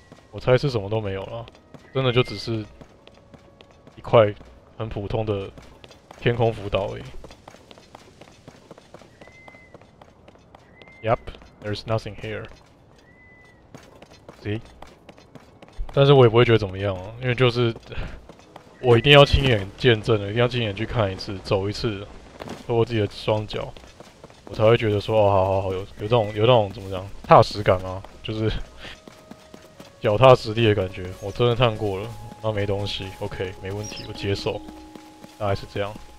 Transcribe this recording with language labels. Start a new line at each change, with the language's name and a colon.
Chinese: 我猜是什么都没有了，真的就只是一块很普通的天空浮岛而已。
English: Yep, there's nothing here. See?
Chinese: 但是我也不会觉得怎么样、啊、因为就是我一定要亲眼见证的，一定要亲眼去看一次，走一次，透过自己的双脚，我才会觉得说，哦，好好好，有那种怎么讲，踏实感吗？就是脚踏实地的感觉。我真的探过了，那没东西 ，OK， 没问题，我接受，大概是这样。